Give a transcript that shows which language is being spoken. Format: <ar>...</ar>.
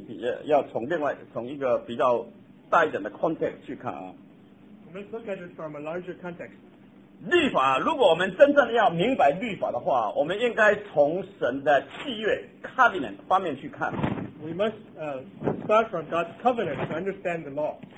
<zh>人怎么能够凭他自己的能力来满足律法的目的？OK，我先，OK，这个问题比较从另外从一个比较大一点的 context 去看啊。</zh> <en>Let's look at it from a larger context.</en> <zh>律法，如果我们真正要明白律法的话，我们应该从神的契约 covenant 方面去看。</zh> <en>We must start from God's covenant to understand the law.</en>